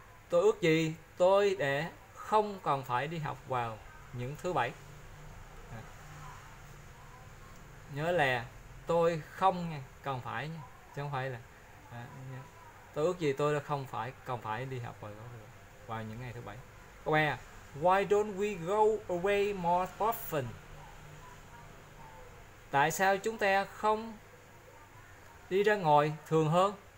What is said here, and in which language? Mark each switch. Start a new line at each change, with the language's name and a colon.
Vietnamese: Tôi ước gì tôi để không còn phải đi học vào những thứ bảy. Nhớ là tôi không cần phải nha, chứ không phải là tôi ước gì tôi không phải còn phải đi học vào những ngày thứ bảy. Câu ba,
English: why don't we go away more often?
Vietnamese: Tại sao chúng ta không đi ra ngoài thường hơn?